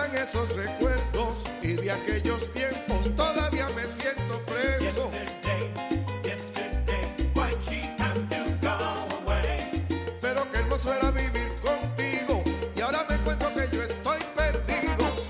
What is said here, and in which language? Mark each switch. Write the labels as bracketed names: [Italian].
[Spanish] esos recuerdos y de aquellos tiempos todavía me siento preso. [English] Yesterday, yesterday, why'd she have to go away? [Spanish] Pero qué hermoso era vivir contigo y ahora me encuentro que yo estoy perdido.